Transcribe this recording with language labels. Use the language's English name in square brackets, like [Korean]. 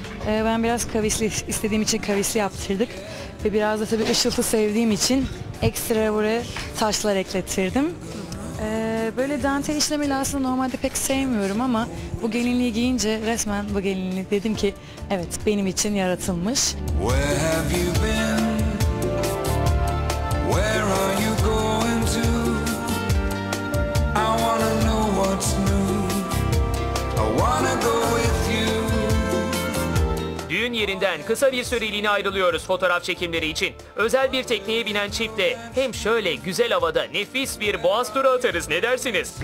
[Turkish] Ben biraz kavisli istediğim için kavisli yaptırdık. Ve biraz da tabii ışıltı sevdiğim için ekstra buraya taşlar ekletirdim. Böyle dantel işlemeli aslında normalde pek sevmiyorum ama bu gelinliği giyince resmen bu gelinliği dedim ki evet benim için yaratılmış. [English] Where have you been? Where are you going to? I wanna know what's new. I wanna go with you. [Turkish] Düğün yerinden kısa bir süreliğine ayrılıyoruz fotoğraf çekimleri için. Özel bir tekneye binen çiftle hem şöyle güzel havada nefis bir boğaz turu atarız, ne dersiniz?